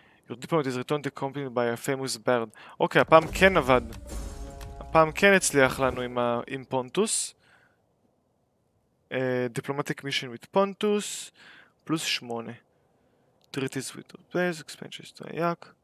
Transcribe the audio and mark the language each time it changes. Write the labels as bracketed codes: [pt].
[en] Your diplomat is returned to company by a famous bird. [he] אוקיי, הפעם כן עבד. הפעם כן הצליח לנו עם פונטוס. [en] Diplomatic mission with Pontus plus 8 treaties with the base expansions to Hayk.